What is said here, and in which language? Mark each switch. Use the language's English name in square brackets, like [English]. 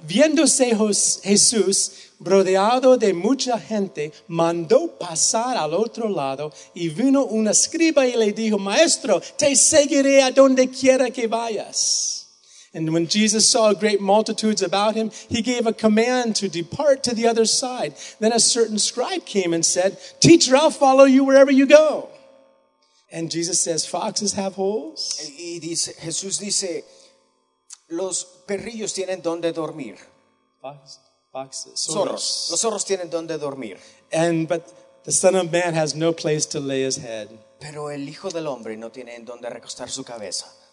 [Spanish] Viéndose Jesús rodeado de mucha gente, mandó pasar al otro lado y vino una escriba y le dijo, Maestro, te seguiré a donde quiera que vayas. [English] And when Jesus saw great multitudes about him, he gave a command to depart to the other side. Then a certain scribe came and said, Teacher, I'll follow you wherever you go. And Jesus says, foxes have holes. [Spanish] Y dice, Jesús dice, los perrillos tienen donde dormir. [English] Foxes. [Spanish] Zorros. Los zorros tienen donde dormir. [English] But the Son of Man has no place to lay his head. [Spanish] Pero el Hijo del Hombre no tiene en donde recostar su cabeza.